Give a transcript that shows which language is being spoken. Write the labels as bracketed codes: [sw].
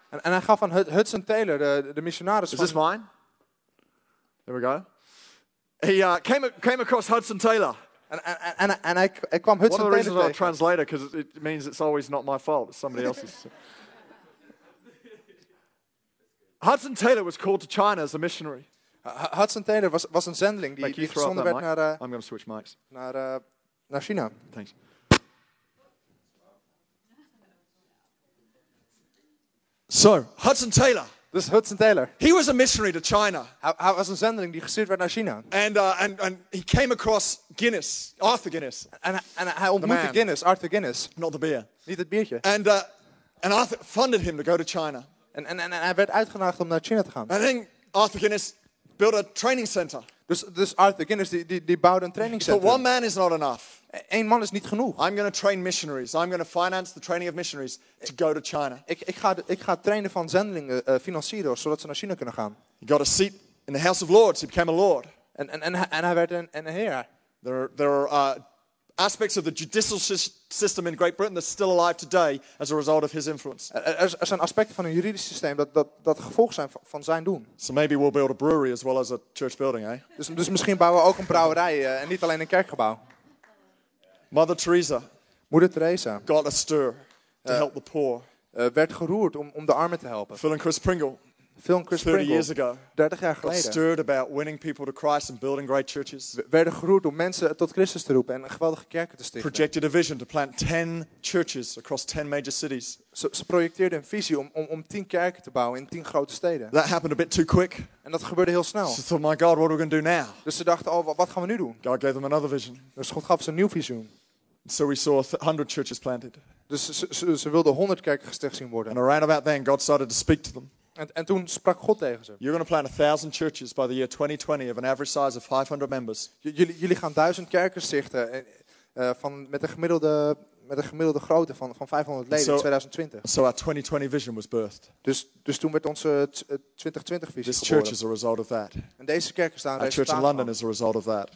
[nl] En hij gaf aan Hudson Taylor de missionaris. [en] Is this mine? There we go. He came across Hudson Taylor. [nl] And I kwam Hudson Taylor. [en] One of the reasons I'm a translator, because it means it's always not my fault, it's somebody else's. Hudson Taylor was called to China as a missionary. [nl] Hudson Taylor was een zendeling die gezonden werd naar. [en] I'm going to switch mics. [nl] Naar China. [en] Thanks. So, Hudson Taylor. This Hudson Taylor. He was a missionary to China. [nl] Hij was een zendeling die gestuurd werd naar China. [en] And he came across Guinness, Arthur Guinness. [nl] And hij ontmoette Guinness, Arthur Guinness. [en] Not the beer. [nl] Niet het biertje. [en] And Arthur funded him to go to China. [nl] En hij werd uitgenodigd om naar China te gaan. [en] And then Arthur Guinness built a training center. [nl] Dus Arthur Guinness die bouwde een training center. [en] But one man is not enough. [nl] Eén man is niet genoeg. [en] I'm going to train missionaries. I'm going to finance the training of missionaries to go to China. [nl] Ik ga trainen van zendelingen financieren zodat ze naar China kunnen gaan. [en] He got a seat in the House of Lords. He became a lord. [nl] En hij werd een heer. [en] There are aspects of the judicial system in Great Britain that's still alive today as a result of his influence. [nl] Er zijn aspecten van een juridisch systeem dat gevolg zijn van zijn doen. [en] So maybe we'll build a brewery as well as a church building, eh? [nl] Dus misschien bouwen we ook een brouwerij en niet alleen een kerkgebouw. [en] Mother Teresa, [nl] Moeder Teresa, [en] got a stir to help the poor. [nl] Werd geroerd om de armen te helpen. [en] Phil and Chris Pringle, 30 years ago, [nl] 30 jaar geleden, [en] got stirred about winning people to Christ and building great churches. [nl] Werden geroerd om mensen tot Christus te roepen en geweldige kerken te stichten. [en] Projected a vision to plant 10 churches across 10 major cities. [nl] Ze projecteerden een visie om 10 kerken te bouwen in 10 grote steden. [en] That happened a bit too quick. [nl] En dat gebeurde heel snel. [en] So my God, what are we going to do now? [nl] Dus ze dachten, oh, wat gaan we nu doen? [en] God gave them another vision. [nl] Dus God gaf ze een nieuw visioen. [en] So we saw 100 churches planted. [nl] Dus ze wilden 100 kerken gesticht zien worden. [en] And around about then, God started to speak to them. [nl] En toen sprak God tegen ze. [en] You're going to plant 1,000 churches by the year 2020 of an average size of 500 members. [nl] Jullie gaan 1,000 kerken stichten met een gemiddelde grootte van 500 leden in 2020. [en] So our 2020 vision was birthed. [nl] Dus toen werd onze 2020 visie geboren. [en] This church is a result of that. [nl] En deze kerk is daar een resultaat van. [en] Our church in London is a result of that.